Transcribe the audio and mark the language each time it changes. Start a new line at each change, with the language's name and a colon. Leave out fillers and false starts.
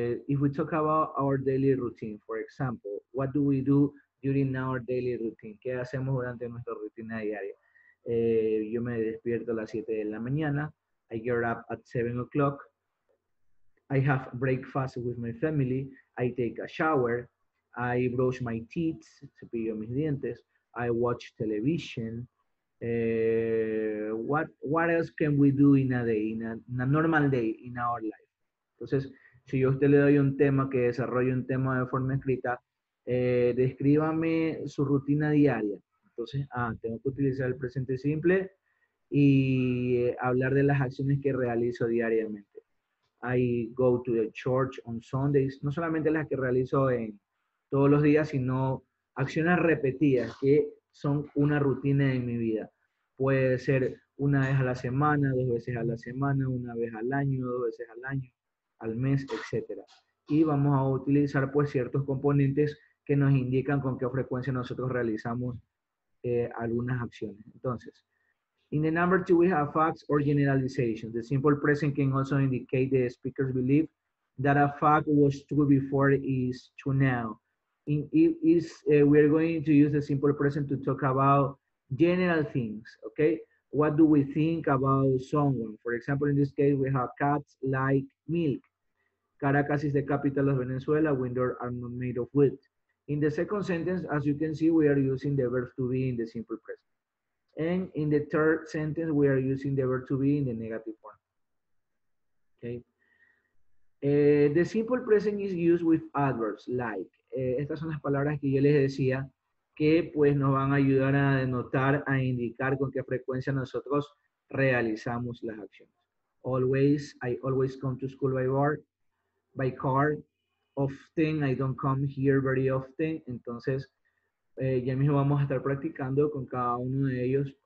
English: If we talk about our daily routine, for example, what do we do during our daily routine?
Spanish: ¿Qué hacemos durante nuestra rutina diaria? Yo me despierto a las 7 de la mañana.
English: I get up at 7 o'clock. I have breakfast with my family. I take a shower. I brush my teeth.
Spanish: Cepillo mis dientes.
English: I watch television. What else can we do in a day, in a normal day in our life?
Spanish: Entonces, si yo a usted le doy un tema, que desarrolle un tema de forma escrita, descríbame su rutina diaria. Entonces, tengo que utilizar el presente simple y hablar de las acciones que realizo diariamente.
English: I go to the church on Sundays.
Spanish: No solamente las que realizo en todos los días, sino acciones repetidas que son una rutina en mi vida. Puede ser una vez a la semana, dos veces a la semana, una vez al año, dos veces al año, al mes, etcétera. Y vamos a utilizar pues ciertos componentes que nos indican con qué frecuencia nosotros realizamos algunas acciones. Entonces,
English: in the number two we have facts or generalizations. The simple present can also indicate the speaker's belief that a fact was true before is true now. We are going to use the simple present to talk about general things, okay? What do we think about someone? For example, in this case, we have cats like milk. Caracas is the capital of Venezuela. Windows are not made of wood. In the second sentence, as you can see, we are using the verb to be in the simple present. And in the third sentence, we are using the verb to be in the negative form. Okay. The simple present is used with adverbs like.
Spanish: Estas son las palabras que yo les decía que pues nos van a ayudar a denotar, a indicar con qué frecuencia nosotros realizamos las acciones.
English: Always, I always come to school by car. Often, I don't come here very often.
Spanish: Entonces, ya mismo vamos a estar practicando con cada uno de ellos.